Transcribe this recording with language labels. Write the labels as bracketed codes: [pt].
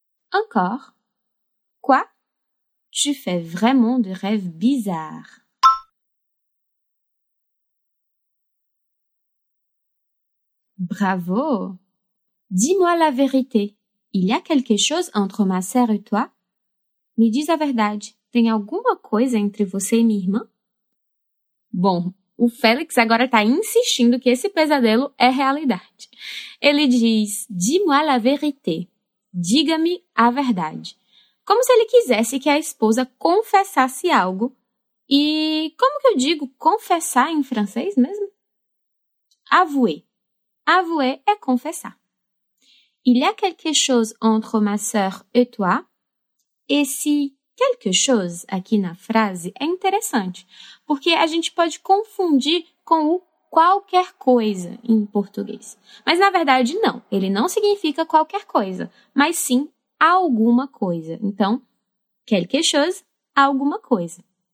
[fr] Encore. Quoi? Tu fais vraiment des rêves bizarres. Bravo! Dis-moi la vérité. Il y a quelque chose entre ma sœur et toi? [pt] Me diz a verdade. Tem alguma coisa entre você e minha irmã? Bom, o Félix agora está insistindo que esse pesadelo é realidade. Ele diz, [fr] dis-moi la vérité. [pt] Diga-me a verdade. Como se ele quisesse que a esposa confessasse algo. E como que eu digo confessar em francês mesmo? Avouer. Avouer é confessar. [fr] Il y a quelque chose entre ma sœur et toi? [pt] Esse quelque chose aqui na frase é interessante, porque a gente pode confundir com o qualquer coisa em português. Mas na verdade não, ele não significa qualquer coisa, mas sim alguma coisa. Então, quelque chose, alguma coisa.